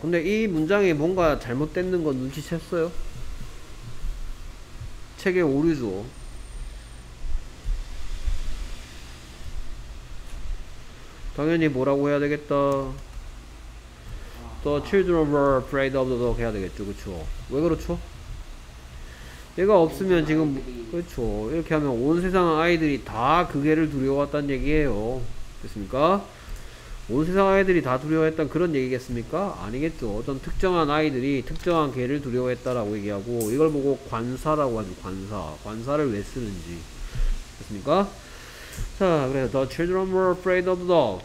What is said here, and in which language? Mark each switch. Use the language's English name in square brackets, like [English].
[Korean] 근데 이 문장이 뭔가 잘못됐는 건 눈치챘어요? 책에 오류죠. 당연히 뭐라고 해야 되겠다. [English] The children were afraid of the dog [Korean] 해야 되겠죠. 그쵸? 왜 그렇죠? 얘가 없으면 지금 그쵸? 이렇게 하면 온 세상 아이들이 다 그 개를 두려워했다는 얘기예요. 됐습니까? 온 세상 아이들이 다 두려워했던 그런 얘기겠습니까? 아니겠죠. 어떤 특정한 아이들이 특정한 개를 두려워했다라고 얘기하고 이걸 보고 관사라고 하죠. 관사. 관사를 왜 쓰는지. 됐습니까? 자, 그래서 [English] The children were afraid of the dog.